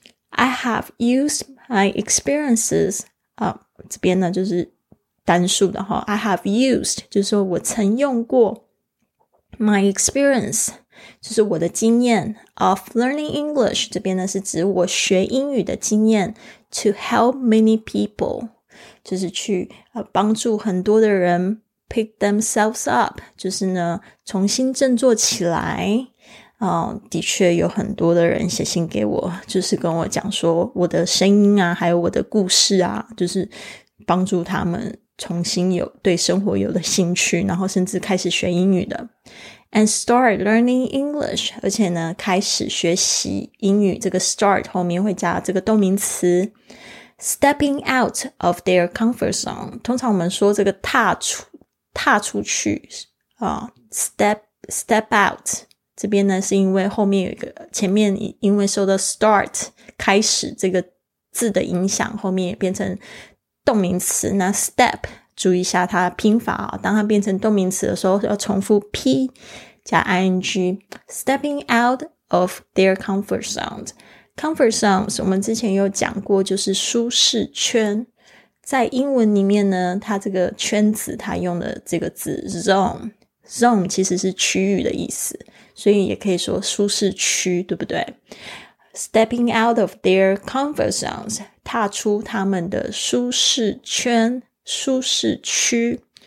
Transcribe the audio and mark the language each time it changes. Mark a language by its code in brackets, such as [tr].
[en] I have used my experiences, [zh] 这边呢就是单数的哈 [en] I have used, [zh] 就是说我曾用过 [en] my experience, [zh] 就是我的经验 [en] of learning English, [zh] 这边呢是指我学英语的经验 [en] to help many people, [zh] 就是去帮助很多的人 [en] pick themselves up, [zh] 就是呢重新振作起来。的确有很多的人写信给我，就是跟我讲说我的声音啊还有我的故事啊，就是帮助他们重新有对生活有了兴趣，然后甚至开始学英语的。 [en] and start learning English. [zh] 而且呢，开始学习英语，这个 start 后面会加这个动名词。 [en] Stepping out of their comfort zone. [zh] 通常我们说这个踏出去、 [en] step out. [zh] 这边呢是因为后面有一个前面因为受到 start 开始这个字的影响，后面也变成动名词。那 step 注意一下它的拼法啊，当它变成动名词的时候要重复 p 加 ing， [en] stepping out of their comfort zone。 [zh] comfort zone 我们之前有讲过，就是舒适圈。在英文里面呢，它这个圈子它用的这个字 zone 其实是区域的意思，所以也可以说舒适区，对不对？ [en] Stepping out of their comfort zones， [zh] 踏出他们的舒适圈、舒适区。